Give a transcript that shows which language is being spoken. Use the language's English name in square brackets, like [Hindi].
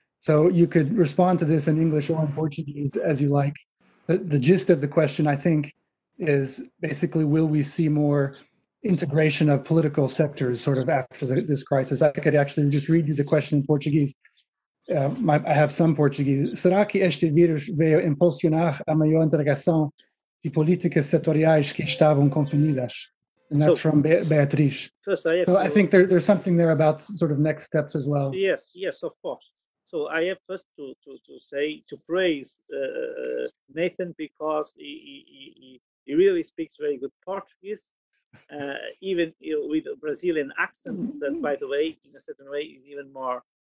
[English] So you could respond to this in English or in Portuguese as you like. But the gist of the question, I think, is basically, will we see more integration of political sectors sort of after this crisis? I could actually just read you the question in Portuguese. I have some Portuguese. [Portuguese] Será que este vírus veio impulsionar a maior integração de políticas setoriais que estavam confinadas? [English] And that's from Beatriz. I think there's something there about sort of next steps as well. Yes, of course. So I have first to praise Nathan, because he really speaks very good Portuguese, even with a Brazilian accent that, by the way, in a certain way, is even more